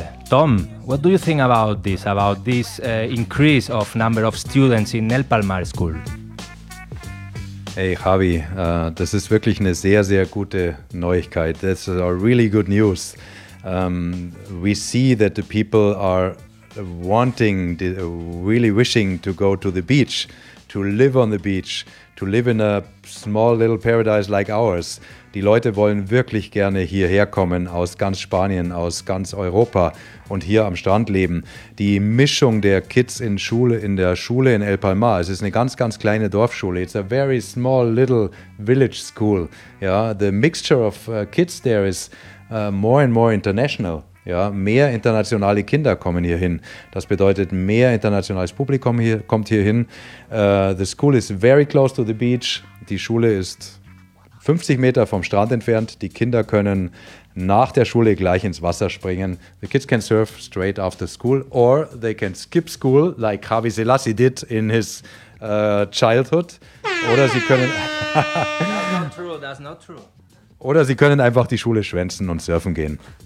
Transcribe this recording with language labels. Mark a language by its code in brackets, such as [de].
[en] Tom, what do you think about this? About this increase of number of students in El Palmar School? [de] Hey, Javi, das ist wirklich eine sehr, sehr gute Neuigkeit. [en] This is a really good news. We see that the people are wanting, really wishing to go to the beach, to live on the beach, to live in a small little paradise like ours. [de] Die Leute wollen wirklich gerne hierher kommen aus ganz Spanien, aus ganz Europa und hier am Strand leben. Die Mischung der Kids in der Schule in El Palmar, es ist eine ganz, ganz kleine Dorfschule. [en] It's a very small little village school. Yeah, the mixture of kids there is more and more international. [de] Ja, mehr internationale Kinder kommen hier hin. Das bedeutet, mehr internationales Publikum hier, kommt hier hin. [en] The school is very close to the beach. [de] Die Schule ist 50 Meter vom Strand entfernt. Die Kinder können nach der Schule gleich ins Wasser springen. [en] The kids can surf straight after school or they can skip school like Javi Selassie did in his childhood. [de] Oder sie können... [en] That's not true. [de] Oder sie können einfach die Schule schwänzen und surfen gehen.